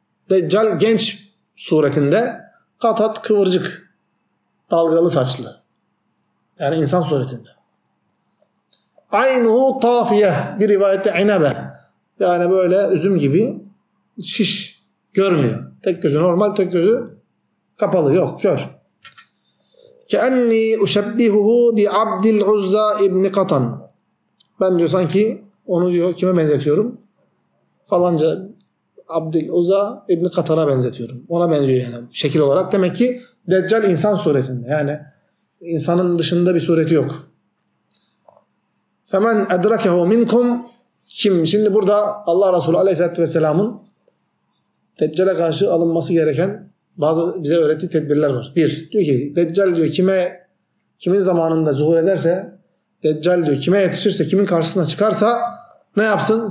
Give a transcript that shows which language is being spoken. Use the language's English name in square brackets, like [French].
[Turkish] Deccal genç suretinde, katat kıvırcık, dalgalı saçlı. Yani insan suretinde. [Arabic] Aynuhu tafiye. [Turkish] Bir rivayette inebe. Yani böyle üzüm gibi şiş görmüyor. Tek gözü normal, tek gözü kapalı. Yok, kör. [Arabic] كأني أشبهه بعبد العزى ابن قطن. [Turkish] Ben diyor sanki onu diyor kime benzetiyorum? Falanca Abdülüzz ibn Katan'a benzetiyorum. Ona benziyor yani şekil olarak. Demek ki Deccal insan suretinde. Yani insanın dışında bir sureti yok. [Arabic] فمن أدركه منكم [Turkish] kim? Şimdi burada Allah Resulü Aleyhisselatü Vesselam'ın Deccal'e karşı alınması gereken bazı bize öğrettiği tedbirler var. Bir, diyor ki Deccal diyor kime kimin zamanında zuhur ederse Deccal diyor kime yetişirse kimin karşısına çıkarsa ne yapsın?